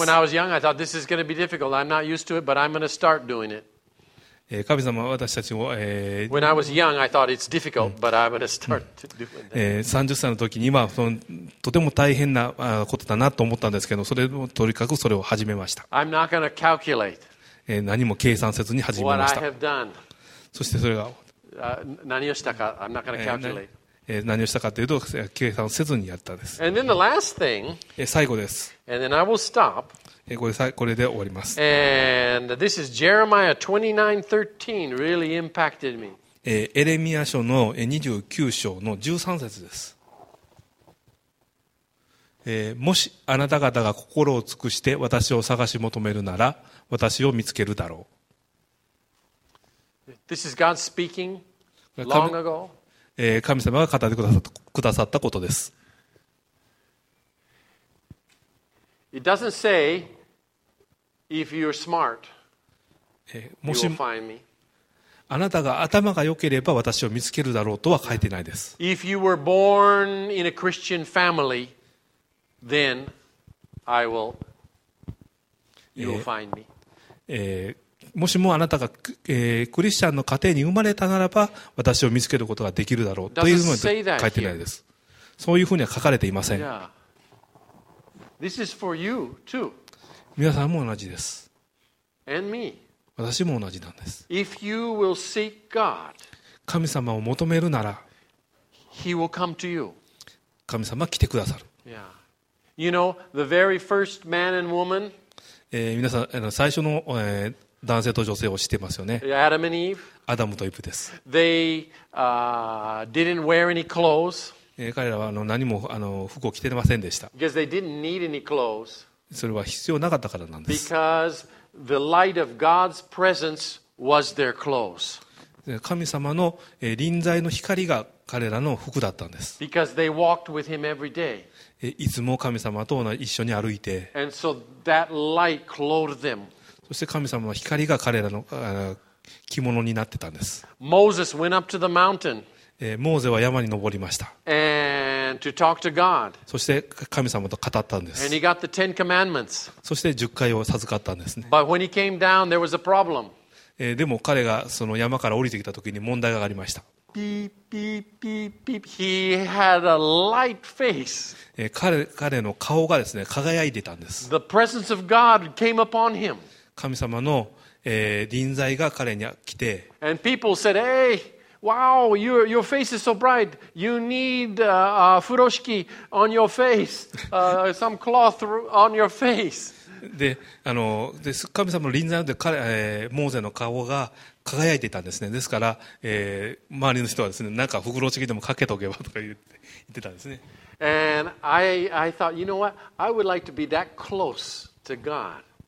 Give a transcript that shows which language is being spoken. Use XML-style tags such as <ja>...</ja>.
<en>Yeah, when I was young, I thought this is going to be difficult. I'm not used to it, but I'm going to start doing it.</en> <ja>神様は私たちを、</ja> <en>When I was young, I thought it's difficult, but I'm going to start doing it.</en> <ja>30歳の時にはとても大変なことだなと思ったんですけど、それもとにかくそれを始めました。</ja> <en>I'm not going to calculate.</en> <ja>何も計算せずに始めました。</ja> <en>What I have done.</en> <ja>そしてそれが何をしたか、</ja> <en>I'm not going to calculate.</en> <ja>何をしたかというと計算せずにやったんです。</ja> <en>And then the last thing,</en> <ja>最後です。</ja> <en>And then I will stop.</en> <ja>これで終わります。</ja> <en>And this is Jeremiah 29:13 really impacted me.</en> <ja>エレミア書の29章の13節です。もしあなた方が心を尽くして私を探し求めるなら、私を見つけるだろう。</ja> <en>This is God speaking long ago.</en> <ja>神様が語ってくださったことです。</ja> <en>It doesn't say if you're smart, you'll find me.</en> <ja>あなたが頭が良ければ私を見つけるだろうとは書いてないです。</ja> <en>If you were born in a Christian family, then I will. You'll find me.</en> <ja>もしもあなたが、クリスチャンの家庭に生まれたならば私を見つけることができるだろうというのに書いてないです。そういうふうには書かれていません。</ja> <en>This is for you too.</en> <ja>皆さんも同じです。</ja> <en>And me.</en> <ja>私も同じなんです。</ja> <en>If you will seek God,</en> <ja>神様を求めるなら</ja> <en>He will come to you.</en> <ja>神様は来てくださる。</ja> <en>You know, the very first man and woman,</en> <ja>皆さん最初の、男性と女性を知ってますよね。</ja> <en>Adam and Eve.</en> <ja>アダムとイブです。</ja> <en>They didn't wear any clothes.</en> <ja>彼らは何も服を着てませんでした。</ja> <en>Because they didn't need any clothes.</en> <ja>それは必要なかったからなんです。</ja> <en>Because the light of God's presence was their clothes.</en> <ja>神様の臨在の光が彼らの服だったんです。</ja> <en>Because they walked with Him every day.</en> <ja>いつも神様と一緒に歩いて。</ja> <en>And so that light clothed them.</en> <ja>そして神様の光が彼らの着物になってたんです。</ja> <en>Moses went up to the mountain.</en> <ja>モーゼは山に登りました。</ja> <en>And to talk to God.</en> <ja>そして神様と語ったんです。</ja> <en>And he got the Ten Commandments.</en> <ja>そして十戒を授かったんですね。</ja> <en>But when he came down, there was a problem.</en> <ja>でも彼がその山から降りてきた時に問題がありました。</ja> <en>ピーピーピーピー。He had a light face.</en> <ja>彼の顔がですね、輝いてたんです。</ja> <en>The presence of God came upon him.</en> <ja>神様の、臨在が彼に来て、</ja> <en>And people said, "Hey, wow, your face is so bright. You need furoshiki on your face, some cloth on your face."</en> <ja>で神様の臨在で彼、モーゼの顔が輝いていたんですね。ですから、周りの人はですね、なんか furoshikでもかけとけばとか言ってたんですね。</ja> <en>And I thought, you know what? I would like to be that close to God.</en>